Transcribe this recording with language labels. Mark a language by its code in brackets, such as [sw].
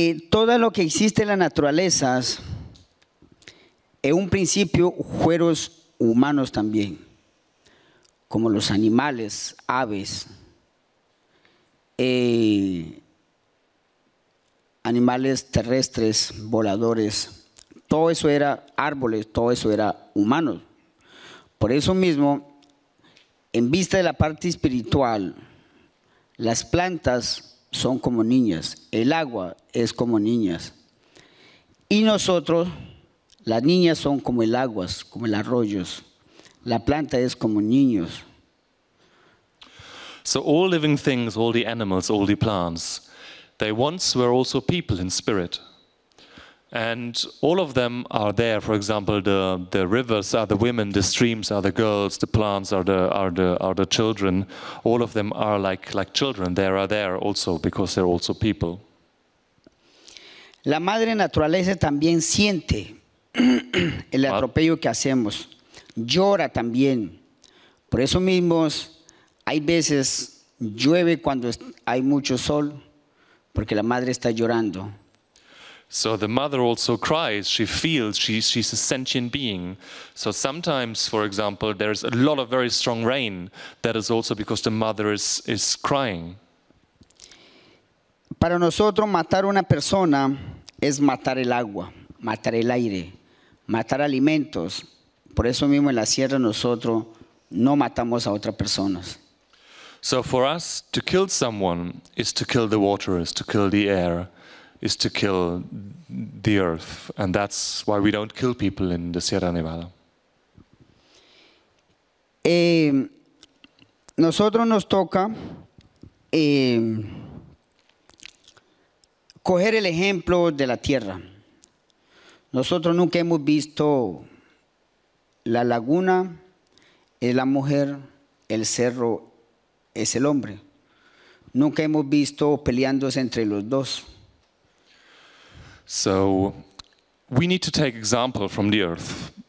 [es] Todo lo que existe en las naturalezas, en un principio, fueron humanos también, como los animales, aves, animales terrestres, voladores. Todo eso era árboles, todo eso era humanos. Por eso mismo, en vista de la parte espiritual, las plantas son como niñas, el agua es como niñas. Y nosotros, las niñas son como el agua, como el arroyo. La planta es como niños. [en] So all living things, all the animals, all the plants, they once were also people in spirit. And all of them are there. For example, the rivers are the women, the streams are the girls, the plants are the children. All of them are like children. They are there also because they're also people. [es] La madre naturaleza también siente el atropello que hacemos. Llora también. Por eso mismos, hay veces llueve cuando hay mucho sol, porque la madre está llorando. [en] So the mother also cries, she feels, she's a sentient being. So sometimes, for example, there's a lot of very strong rain. That is also because the mother is crying. [es] Para nosotros, matar una persona es matar el agua, matar el aire, matar alimentos. Por eso mismo en la sierra nosotros no matamos a otras personas. [en] So for us, to kill someone is to kill the water, is to kill the air, is to kill the earth. And that's why we don't kill people in the Sierra Nevada. [es] Nosotros nos toca coger el ejemplo de la tierra. Nosotros nunca hemos visto la laguna, es la mujer, el cerro es el hombre. Nunca hemos visto peleándose entre los dos. [en] So we need to take example from the earth.